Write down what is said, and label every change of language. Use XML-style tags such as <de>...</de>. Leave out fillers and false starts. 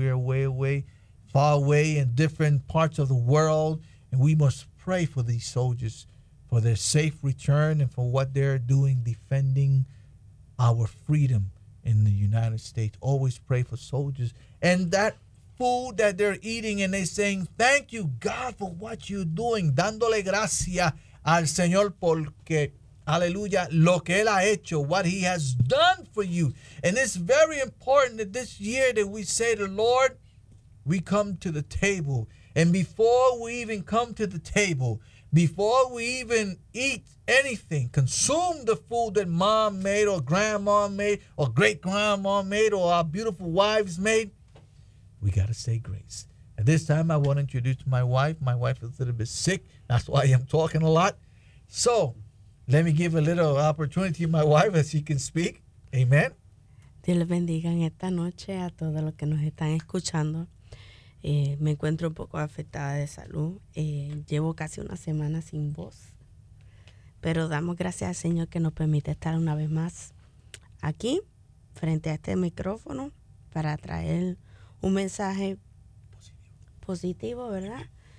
<en>We're away, far away in different parts of the world, and we must pray for these soldiers, for their safe return, and for what they're doing defending our freedom in the United States. Always pray for soldiers. And that food that they're eating, and they're saying, thank you, God, for what you're doing.</en> <es>Dándole gracias al Señor porque...</es> <en>Hallelujah,</en> <es>lo que él ha hecho,</es> <en>what he has done for you. And it's very important that this year that we say to Lord, we come to the table. And before we even come to the table, before we even eat anything, consume the food that mom made or grandma made or great-grandma made or our beautiful wives made, we got to say grace. At this time, I want to introduce my wife. My wife is a little bit sick. That's why I'm talking a lot. So, let me give a little opportunity to my wife as she can speak. Amen.</en> <es>Dios les bendiga en esta noche a todos los que nos están escuchando. Me encuentro un poco afectada de salud. Llevo casi una semana sin voz. Pero damos gracias al Señor que nos permite estar una vez más aquí, frente a este micrófono, para traer un mensaje positivo, ¿verdad?</es>